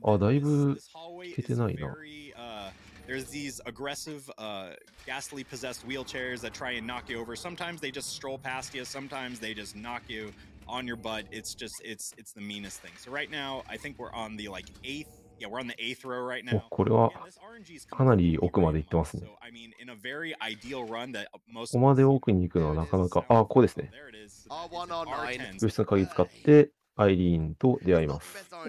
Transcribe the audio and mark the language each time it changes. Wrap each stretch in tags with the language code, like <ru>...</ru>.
<ja>あ、だいぶ行けてないな。</ja> <en>There's these aggressive, ghastly possessed wheelchairs that try and knock you over. Sometimes they just stroll past you. Sometimes they just knock you. On your butt, it's the meanest thing. So right now, I think we're on the like eighth. Yeah, we're on the eighth row right now.</en> <ja>これはかなり奥まで行ってますね。ここまで奥に行くのはなかなか、あ、ここですね。物質の鍵使ってアイリーンと出会います。</ja>